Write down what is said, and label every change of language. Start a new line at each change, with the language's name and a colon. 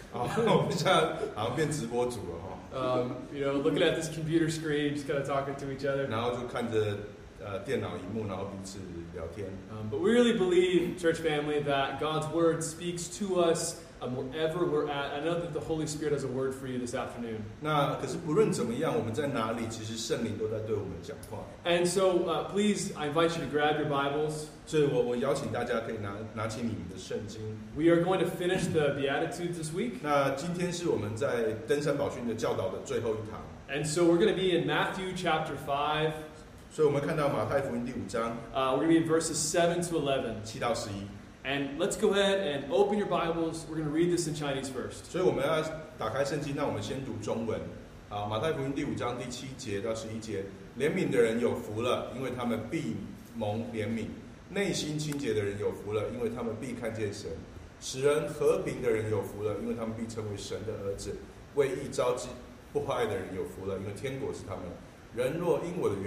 Chinese: 我们现在好像变直播主了。
English: You know, looking at this computer screen, just kind of talking to each other.
Chinese: 然后就看着 电脑萤幕，然后彼此聊天。
English: But we really believe, church family, that God's word speaks to us wherever we're at. I know that the Holy Spirit has a word for you this afternoon.
Chinese: 那可是不论怎么样，我们在哪里，其实圣灵都在对我们讲话。
English: And so, please, I invite you to grab your Bibles.
Chinese: 所以我邀请大家可以拿起你们的圣经。
English: We are going to finish the Beatitudes this week.
Chinese: 那今天是我们在登山宝训的教导的最后一堂。
English: And so we're going to be in Matthew chapter 5.
Chinese: 所以我们看到马太福音第五章,
English: we're going to be in verses 7 to 11.
Chinese: 7到11.
English: And let's go ahead and open your Bibles. We're going to read this in Chinese first.
Chinese: 所以我们要打开圣经,那我们先读中文。马太福音第五章第7节到11节, 怜悯的人有福了,因为他们必蒙怜悯。内心清洁的人有福了,因为他们必看见神。使人和平的人有福了,因为他们必称为神的儿子。为义遭不坏的人有福了,因为天国是他们的。